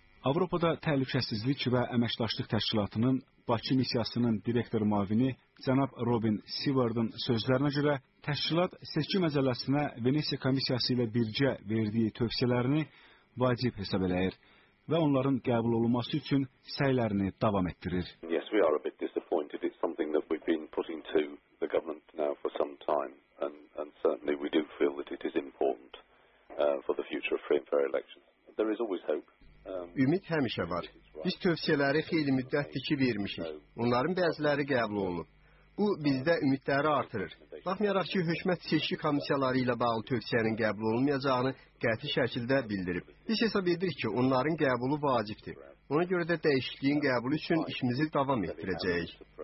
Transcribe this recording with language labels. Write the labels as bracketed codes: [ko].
[az] Avropada Təhlükəsizlik və Əməkdaşlıq Təşkilatının Bakı missiyasının direktor müavini cənab Robin Sievert'ın sözlərinə görə, təşkilat seçki məcəlləsinə Venesiya komissiyası ilə birgə verdiyi tövsiyələrini vacib hesab eləyir və onların qəbul olunması üçün səylərini davam etdirir. [en] Yes, we are a bit disappointed. It's something that we've been putting to the government now for some time and certainly we do feel that it is important for the future of free and fair elections. There is always hope. [az] Ümid həmişə var. Biz tövsiyələri xeyli müddətdir ki, vermişik. Onların bəziləri qəbul olunub. Bu, bizdə ümidləri artırır. Baxmayaraq ki, hökumət seçki komissiyaları ilə bağlı tövsiyənin qəbul olunmayacağını qəti şəkildə bildirib. Biz hesab edirik ki, onların qəbulu vacibdir. Ona görə də dəyişikliyin qəbulu üçün işimizi davam etdirəcəyik.